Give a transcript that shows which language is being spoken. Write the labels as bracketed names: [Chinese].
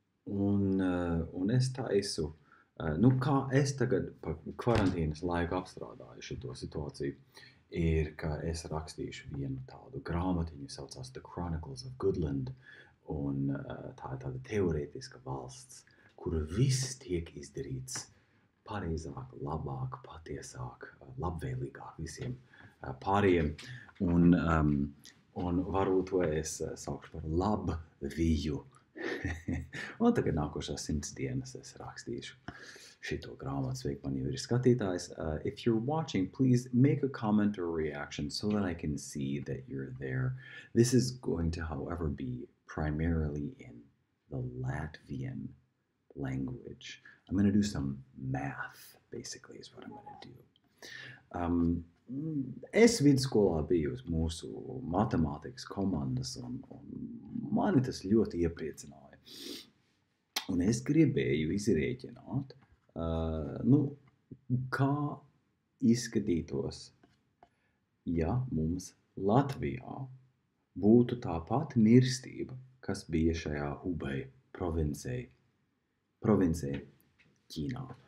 [Latvian] Un es taisu, nu kā es tagad pa kvarantīnas laiku apstrādāju šo situāciju, ir, ka es rakstīšu vienu tādu grāmatiņu, saucās The Chronicles of Goodland, un tā ir tāda teorētiska valsts, kur viss tiek izdarīts pareizāk, labāk, patiesāk, labvēlīgāk visiem pāriem, un varu to es saukšu par labviju. Un tagad nākošās 100 dienas es rakstīšu. Šito grāmatu sveik man jau ir skatītājs. [English] If you're watching, please make a comment or reaction so that I can see that you're there. This is going to, however, be primarily in the Latvian language. I'm going to do some math, basically, is what I'm going to do. [Latvian] Es vidusskolā biju uz mūsu matemātikas komandas, un mani tas ļoti iepriecināja. Un es gribēju izrēķināt, kā izskatītos, ja mums Latvijā būtu tā pati mirstība, kas bija šajā Hubei provincē Ķīnā.